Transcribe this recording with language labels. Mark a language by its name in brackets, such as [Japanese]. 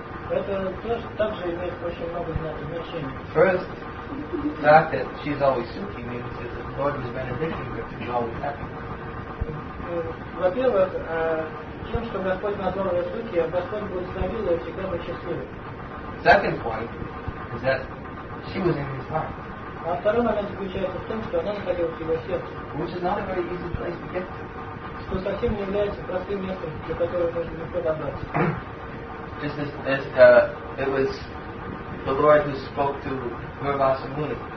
[Russian] Это тоже также имеет очень много значения. [English] First, the fact that she is always sukhi means that the Lord is benedicting her to be always happy. [Russian] Во-первых, тем, что Господь назвал ее сукхи, Господь благословил ее всегда быть счастливой. [English] Second point is that she was in his heart. [Russian] А второй момент заключается в том, что она находилась в его сердце. [English] Which is not a very easy place to get to. [Russian] Что совсем не является простым местом, для которого можно легко добраться. [English] Just as it was the Lord who spoke to Gurvasa Muni.